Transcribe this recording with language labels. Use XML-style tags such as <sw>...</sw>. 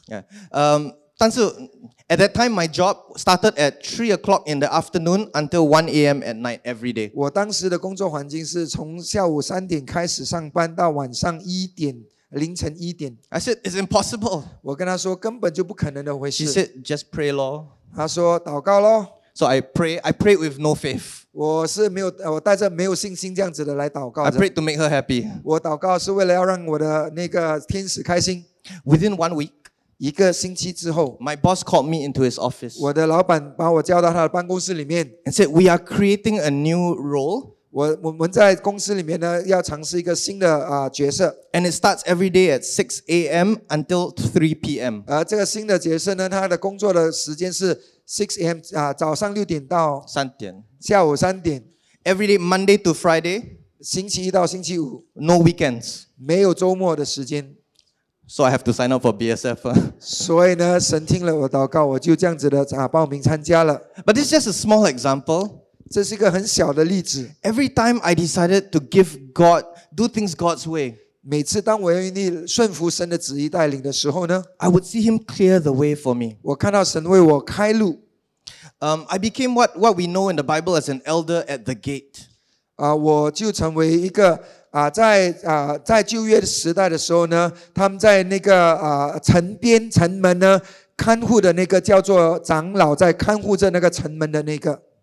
<en>Yeah, 但是 at that time my job started at 3 o'clock in the afternoon until 1 a.m. at night every day.</en> <zh>我当时的工作环境是从下午三点开始上班到晚上一点凌晨一点。</zh> <en>I said it's impossible.</en> <zh>我跟他说根本就不可能的回事。</zh> <en>She said just pray, lor.</en> <zh>他说祷告咯。</zh> <en>So I pray with no faith.</en> <zh>我是没有，我带着没有信心这样子的来祷告。</zh> <en>I pray to make her happy.</en> <zh>我祷告是为了要让我的那个天使开心。</zh> <en>Within 1 week,</en> <zh>一个星期之后</zh> <en>，my boss called me into his office.</en> <zh>我的老板把我叫到他的办公室里面</zh> <en>，and said we are creating a new role.</en> <zh>我们在公司里面呢要尝试一个新的角色。</zh> <en>And it starts every day at 6 a.m. until 3 p.m.</en> <zh>这个新的角色呢，他的工作的时间是。 6 a.m. 早上6点到 3点，下午3点。</zh> <en>Every day, Monday to Friday,</en> <zh>星期一到星期五。</zh> <en>No weekends,</en> <zh>没有周末的时间。</zh> <en>So I have to sign up for BSF.</en> <zh>所以呢，神听了我祷告，我就这样子的报名参加了。</zh> <en>But this is just a small example.</en> <zh>这是一个很小的例子。</zh> <en>Every time I decided to give God, do things God's way,</en> <zh>每次当我愿意顺服神的旨意带领的时候呢</zh> <en>，I would see Him clear the way for me.</en> <zh>我看到神为我开路。</zh> <en>I became what we know in the Bible as an elder at the gate.</en> <zh>我就成为一个在旧约的时代的时候呢，他们在那个城边城门呢看护的那个叫做长老，在看护着那个城门的那个。</zh>